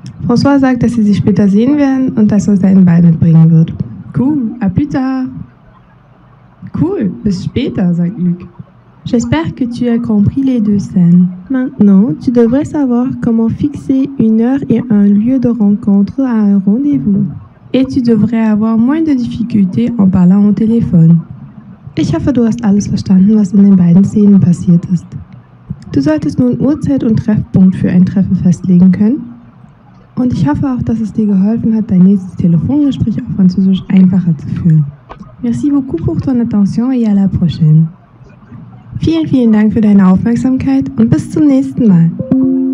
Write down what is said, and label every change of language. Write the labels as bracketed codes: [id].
[de] François sagt, dass sie sich später sehen werden und dass er seinen Ball mitbringen wird. [fr] Cool, à plus tard. [de] Cool, bis später, sagt Luc. [fr] J'espère que tu as compris les deux scènes. Maintenant, tu devrais savoir comment fixer une heure et un lieu de rencontre à un rendez-vous. Et tu devrais avoir moins de difficultés en parlant au téléphone. [de] Ich hoffe, du hast alles verstanden, was in den beiden Szenen passiert ist. Du solltest nun Uhrzeit und Treffpunkt für ein Treffen festlegen können. Und ich hoffe auch, dass es dir geholfen hat, dein nächstes Telefongespräch auf Französisch einfacher zu führen. [fr] Merci beaucoup pour ton attention et à la prochaine. [de] Vielen, vielen Dank für deine Aufmerksamkeit und bis zum nächsten Mal.